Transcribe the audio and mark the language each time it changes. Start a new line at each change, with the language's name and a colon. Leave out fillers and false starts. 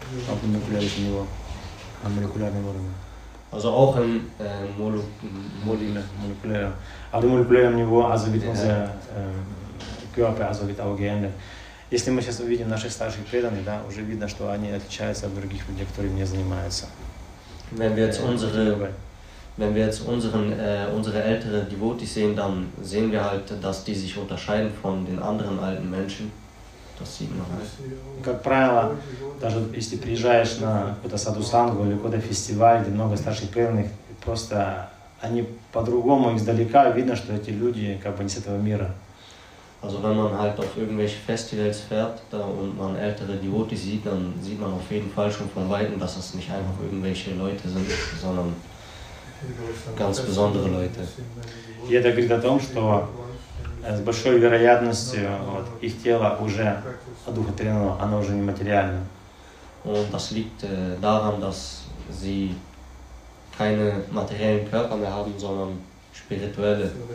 German: Auf dem molekularischen Niveau. Am molekularen Niveau. Also auch im molekulären. Auf dem molekularen Niveau, also wird unser Körper, also wird auch geändert.
Russian: Если мы сейчас увидим наших старших преданных, да, уже видно, что они отличаются от других людей, которые не занимаются.
German: Wenn wir jetzt unsere älteren Devotis sehen, dann sehen wir halt, dass die sich unterscheiden von den anderen alten Menschen. Das sieht man halt.
Russian: Как правило, даже если приезжаешь на какой-то садусангу или какой-то фестиваль, где много старших преданных, просто они по-другому, издалека видно, что эти люди как бы не с этого мира.
German: Also wenn man halt auf irgendwelche Festivals fährt da, und man ältere Devotis sieht, dann sieht man auf jeden Fall schon von Weitem, dass das nicht einfach irgendwelche Leute sind, sondern ganz besondere Leute.
Russian: Jeder говорит о том, что с большой вероятностью вот, их тело уже одухотворено, оно уже не материально.
German: Und das liegt daran, dass sie keine materiellen Körper mehr haben, sondern spirituelle.